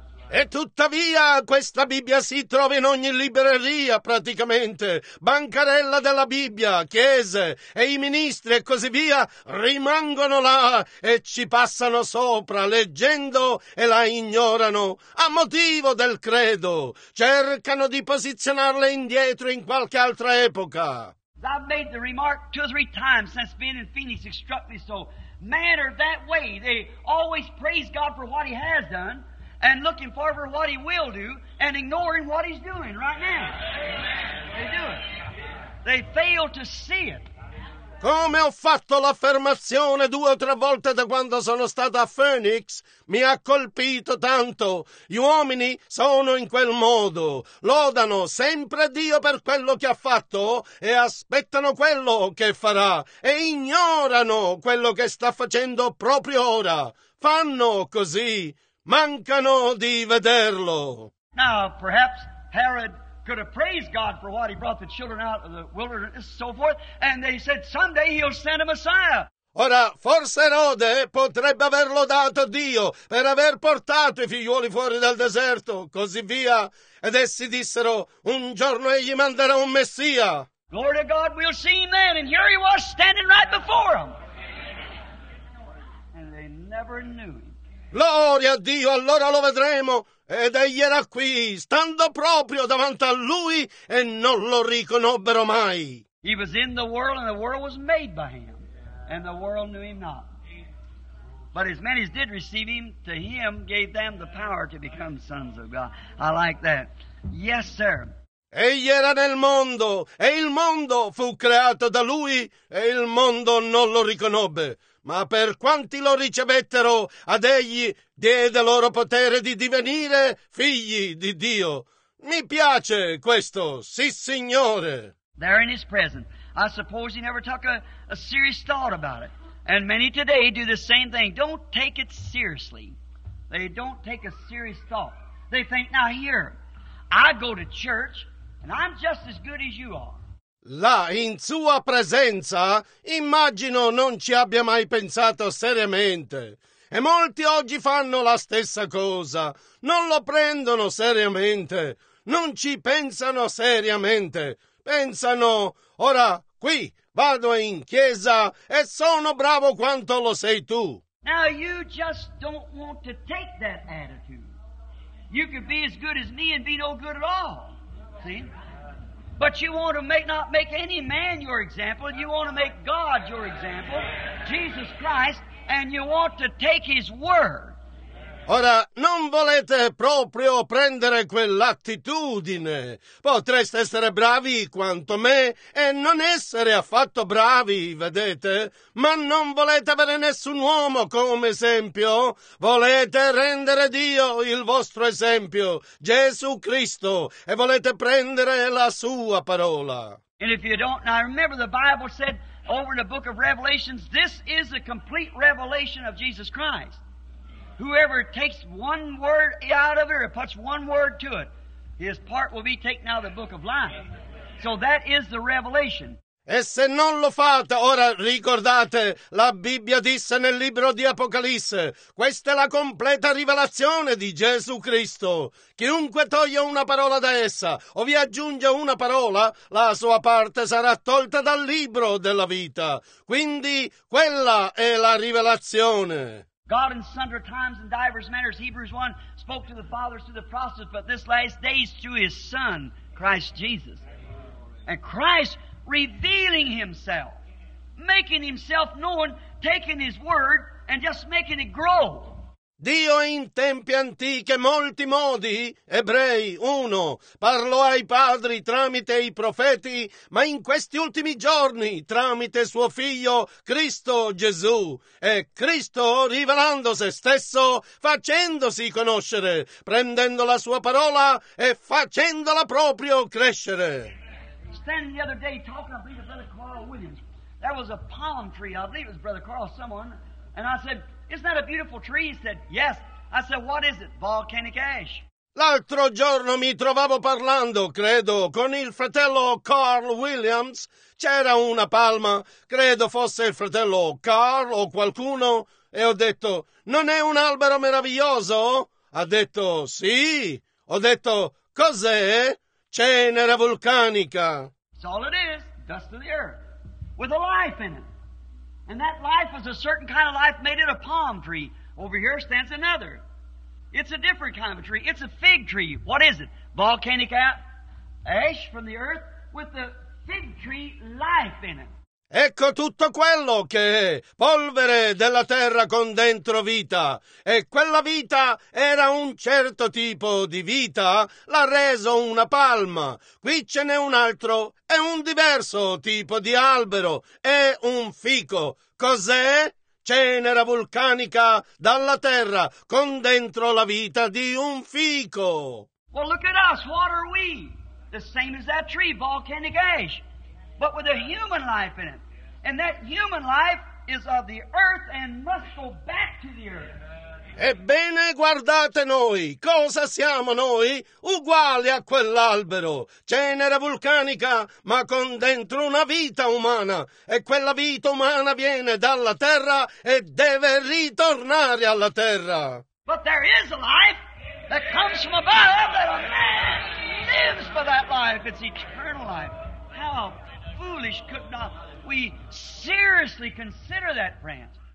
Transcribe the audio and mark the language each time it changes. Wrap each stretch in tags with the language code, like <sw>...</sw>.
<it>E tuttavia questa Bibbia si trova in ogni libreria praticamente, bancarella della Bibbia, chiese e i ministri e così via rimangono là e ci passano sopra leggendo e la ignorano a motivo del credo, cercano di posizionarla indietro in qualche altra epoca.</it> <en>I've made the remark two or three times since being in Phoenix, it struck me so. Matter that way, they always praise God for what he has done and looking forward for what he will do and ignoring what he's doing right now. They do it. They fail to see it.</en> <it>Come ho fatto l'affermazione due o tre volte da quando sono stato a Phoenix, mi ha colpito tanto. Gli uomini sono in quel modo, lodano sempre Dio per quello che ha fatto e aspettano quello che farà e ignorano quello che sta facendo proprio ora. Fanno così, mancano di vederlo.</it> <en>Now, perhaps Herod could have praised God for what he brought the children out of the wilderness and so forth, and they said, someday he'll send a Messiah.</en> <it>Ora, forse Erode potrebbe aver lodato Dio per aver portato i figliuoli fuori dal deserto, così via. Ed essi dissero, un giorno egli manderà un Messia.</it> <en>Glory to God, we'll see him then. And here he was standing right before him. And they never knew him.</en> <it>Gloria a Dio, allora lo vedremo. Ed egli era qui, stando proprio davanti a lui, e non lo riconobbero mai.</it> <en>He was in the world, and the world was made by him. And the world knew him not. But as many as did receive him, to him gave them the power to become sons of God. I like that. Yes, sir.</en> <it>Egli era nel mondo, e il mondo fu creato da lui, e il mondo non lo riconobbe. Ma per quanti lo ricevettero, ad egli diede loro potere di divenire figli di Dio. Mi piace questo, sì, Signore.</it> <en>There in his presence. I suppose he never took a serious thought about it. And many today do the same thing. Don't take it seriously. They don't take a serious thought. They think, now here, I go to church, and I'm just as good as you are.</en> <it>Là, in sua presenza, immagino non ci abbia mai pensato seriamente. E molti oggi fanno la stessa cosa. Non lo prendono seriamente. Non ci pensano seriamente. Pensano, ora, qui, vado in chiesa e sono bravo quanto lo sei tu.</it> <en>Now you just don't want to take that attitude. You could be as good as me and be no good at all. See? But you want to not make any man your example. You want to make God your example, Jesus Christ, and you want to take his word.</en> <it>Ora, non volete proprio prendere quell'attitudine. Potreste essere bravi quanto me e non essere affatto bravi, vedete? Ma non volete avere nessun uomo come esempio? Volete rendere Dio il vostro esempio, Gesù Cristo, e volete prendere la sua parola.</it> <en>And if you don't, now remember the Bible said over in the book of Revelations, this is a complete revelation of Jesus Christ. Whoever takes one word out of it or puts one word to it, his part will be taken out of the book of life. So that is the revelation.</en> <it>E se non lo fate, ora ricordate, la Bibbia disse nel libro di Apocalisse, questa è la completa rivelazione di Gesù Cristo. Chiunque toglie una parola da essa o vi aggiunge una parola, la sua parte sarà tolta dal libro della vita. Quindi quella è la rivelazione.</it> <en>God in sundry times and divers manners, Hebrews 1, spoke to the fathers through the prophets, but this last day is through his Son, Christ Jesus. And Christ revealing himself, making himself known, taking his word and just making it grow.</en> <it>Dio in tempi antichi, molti modi, Ebrei 1, parlò ai padri tramite i profeti, ma in questi ultimi giorni tramite suo figlio Cristo Gesù. E Cristo rivelando se stesso, facendosi conoscere, prendendo la sua parola e facendola proprio crescere.</it> <en>Standing the other day talking, I believe it was Brother Carl Williams. There was a palm tree, I believe it was Brother Carl, someone, and I said, isn't that a beautiful tree? He said, yes. I said, what is it? Volcanic ash.</en> <it>L'altro giorno mi trovavo parlando, credo, con il fratello Carl Williams. C'era una palma, credo fosse il fratello Carl o qualcuno, e ho detto, non è un albero meraviglioso? Ha detto, sì. Ho detto, cos'è? Cenere vulcanica.</it> <en>That's all it is, dust of the earth, with a life in it. And that life was a certain kind of life, made it a palm tree. Over here stands another. It's a different kind of a tree. It's a fig tree. What is it? Volcanic ash from the earth with the fig tree life in it.</en> <it>Ecco tutto quello che è polvere della terra con dentro vita. E quella vita era un certo tipo di vita, l'ha reso una palma. Qui ce n'è un altro, è un diverso tipo di albero, è un fico. Cos'è? Cenere vulcanica dalla terra con dentro la vita di un fico.</it> <en>Well, look at us, what are we? The same as that tree, volcanic ash. But with a human life in it. And that human life is of the earth and must go back to the earth.</en> <it>Ebbene, guardate noi, cosa siamo noi? Uguali a quell'albero, cenere vulcanica, ma con dentro una vita umana. E quella vita umana viene dalla terra e deve ritornare alla terra.</it> <en>But there is a life that comes from above, that a man lives for that life. It's eternal life. How foolish could not we seriously consider that, Branch?</en>